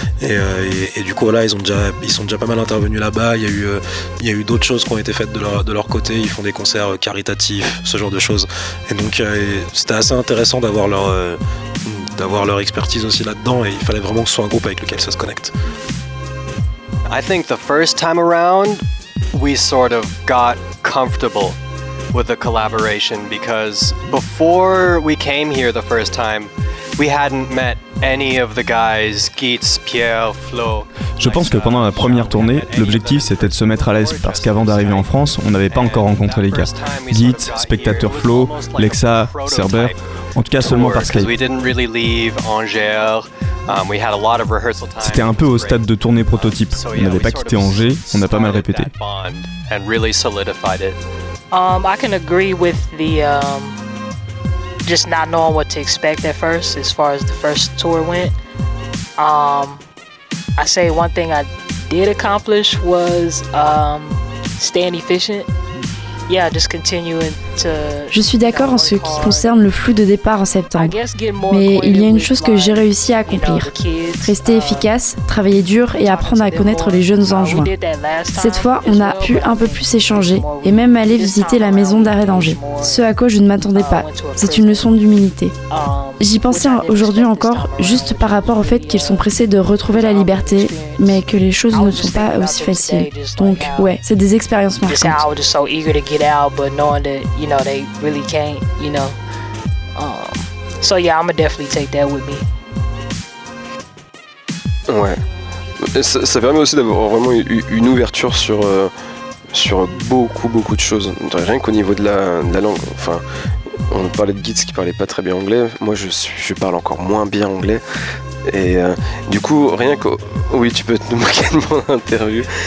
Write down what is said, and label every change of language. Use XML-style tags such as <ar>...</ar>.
<fr>Et du coup, voilà, ils sont déjà pas mal intervenus là-bas. Il y a eu d'autres choses qui ont été faites de leur côté. Ils font des concerts caritatifs, ce genre de choses. Et donc, c'était assez intéressant d'avoir leur expertise aussi là-dedans. Et il fallait vraiment que ce soit un groupe avec lequel ça se connecte.</fr> <en>I think the first time around, we sort of got comfortable with the collaboration, because before we came here the first time, we hadn't met any of the guys, Gitz, Pierre, Flo.</en> <fr>Je pense que pendant la première tournée, l'objectif c'était de se mettre à l'aise, parce qu'avant d'arriver en France, on n'avait pas encore rencontré les gars. Gitz, Spectateur Flo, Lexa, Cerber, en tout cas seulement par Skype. C'était un peu au stade de tournée prototype. On n'avait pas quitté Angers, on a pas mal répété.</fr> <en>I can agree with the just not knowing what to expect at first, as far as the first tour went. I say one thing I did accomplish was staying efficient. Yeah, just continuing to.</en> <fr>Je suis d'accord en ce qui concerne le flux de départ en septembre, mais il y a une chose que j'ai réussi à accomplir. Rester efficace, travailler dur et apprendre à connaître les jeunes enjoints. Cette fois, on a pu un peu plus échanger et même aller visiter la maison d'arrêt d'Angers. Ce à quoi je ne m'attendais pas, c'est une leçon d'humilité. J'y pensais aujourd'hui encore, juste par rapport au fait qu'ils sont pressés de retrouver la liberté, mais que les choses ne sont pas aussi faciles. Donc ouais, c'est des expériences marquantes.</fr> <en>Get out, but knowing that, you know, they really can't, you know. So yeah, I'm gonna definitely take that with me.</en> <fr>Ouais. Et ça permet aussi d'avoir vraiment une ouverture sur beaucoup beaucoup de choses, rien qu'au niveau de la langue. Enfin, on parlait de Gitz qui parlait pas très bien anglais. Moi, je parle encore moins bien anglais. Et du coup, rien que... Oui, tu peux te moquer de mon interview.</fr>